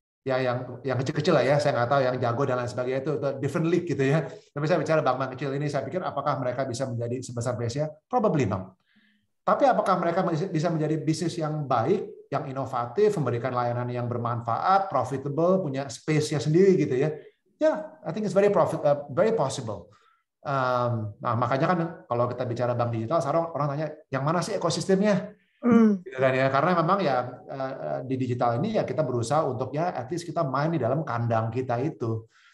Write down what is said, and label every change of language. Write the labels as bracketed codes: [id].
[id] ya yang kecil-kecil lah ya, saya nggak tahu yang jago dan lain sebagainya itu [en] different league [id] gitu ya. Tapi saya bicara bank-bank kecil ini, saya pikir apakah mereka bisa menjadi sebesar BCA? [en] Probably not. [id] Tapi apakah mereka bisa menjadi bisnis yang baik, yang inovatif, memberikan layanan yang bermanfaat, profitable, punya space-nya sendiri gitu ya? [en] Yeah, I think it's very profit, very possible. [id] Nah makanya kan kalau kita bicara bank digital, sekarang orang tanya yang mana sih ekosistemnya? Gitu kan ya, karena memang ya di digital ini ya kita berusaha untuk ya [en] at least [id] kita main di dalam kandang kita itu.